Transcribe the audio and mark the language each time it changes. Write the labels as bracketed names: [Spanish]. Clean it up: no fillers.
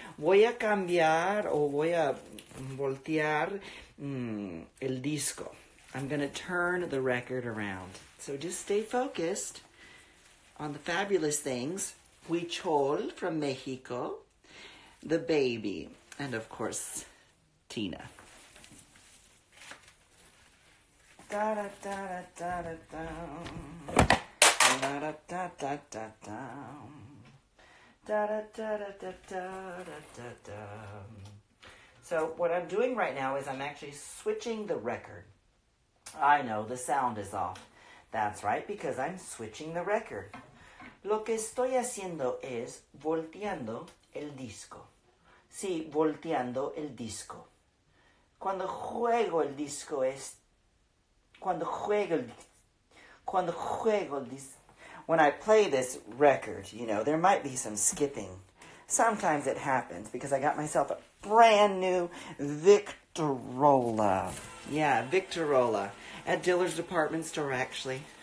[Spanish] Voy a cambiar o voy a voltear el disco. [English] I'm going to turn the record around. So just stay focused on the fabulous things. Huichol from Mexico. The baby. And of course, Tina. Da da da da da da da. Da da da da da da. Da da da da da da da da da. So what I'm doing right now is I'm actually switching the record. I know the sound is off. That's right, because I'm switching the record. [Spanish] Lo que estoy haciendo es volteando el disco. Sí, volteando el disco. Cuando juego el disco es cuando juego el disco. [English] When I play this record, you know, there might be some skipping. Sometimes it happens because I got myself a brand new Victorola. Yeah, Victorola. At Dillard's Department Store, actually.